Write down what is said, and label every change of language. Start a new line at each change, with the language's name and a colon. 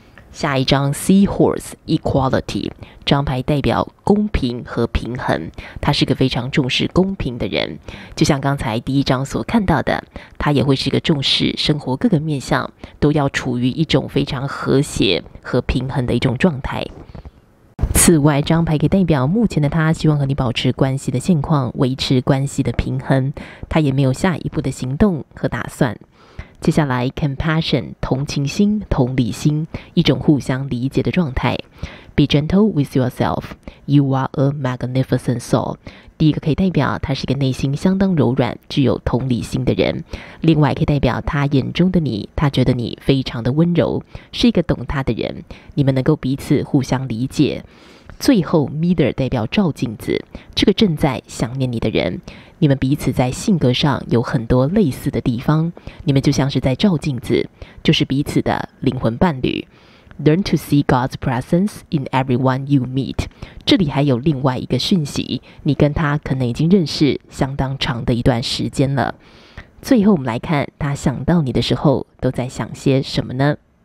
Chinese: 下一张 Seahorse Equality， 张牌代表公平和平衡，他是个非常重视公平的人，就像刚才第一张所看到的，他也会是一个重视生活各个面向都要处于一种非常和谐和平衡的一种状态。此外，张牌可以代表目前的他希望和你保持关系的现况，维持关系的平衡，他也没有下一步的行动和打算。接下来 compassion 同情心、同理心，一种互相理解的状态。
English: Be gentle with yourself. You are a magnificent soul.
Chinese: 第一个可以代表他是一个内心相当柔软、具有同理心的人，另外可以代表他眼中的你，他觉得你非常的温柔，是一个懂他的人，你们能够彼此互相理解。最后 Mirror 代表照镜子，这个正在想念你的人，你们彼此在性格上有很多类似的地方，你们就像是在照镜子，就是彼此的灵魂伴侣。
English: Learn to see God's presence in everyone you meet.
Chinese: 这里还有另外一个讯息，你跟他可能已经认识相当长的一段时间了。最后我们来看他想到你的时候都在想些什么呢？